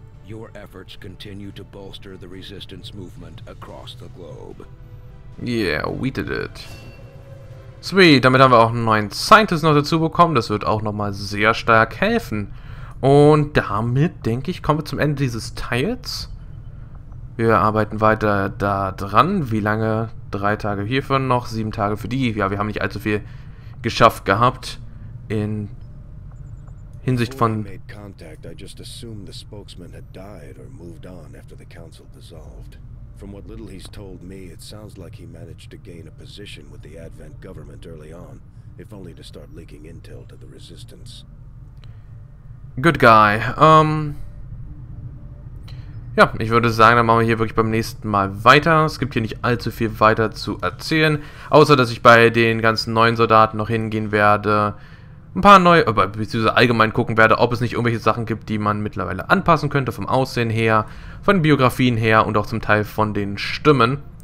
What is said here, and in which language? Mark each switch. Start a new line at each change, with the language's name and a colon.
English: Your efforts continue to bolster the resistance movement across the globe. Yeah, we did it.
German: Sweet, damit haben wir auch einen neuen Scientist noch dazu bekommen. Das wird auch nochmal sehr stark helfen. Und damit, denke ich, kommen wir zum Ende dieses Teils. Wir arbeiten weiter da dran. Wie lange? 3 Tage hierfür noch, 7 Tage für die. Ja, wir haben nicht allzu viel geschafft gehabt in... Hinsicht von...
English: Before I made contact, I just assumed the spokesman had died or moved on after the council dissolved. From what little he's told me, it sounds like he managed to gain a position with the Advent government early on, if only to start leaking intel to the resistance. Good guy.
German: Ja, ich würde sagen, dann machen wir hier wirklich beim nächsten Mal weiter. Es gibt hier nicht allzu viel weiter zu erzählen, außer dass ich bei den ganzen neuen Soldaten noch hingehen werde... Ein paar neue, beziehungsweise allgemein gucken werde, ob es nicht irgendwelche Sachen gibt, die man mittlerweile anpassen könnte, vom Aussehen her, von den Biografien her und auch zum Teil von den Stimmen.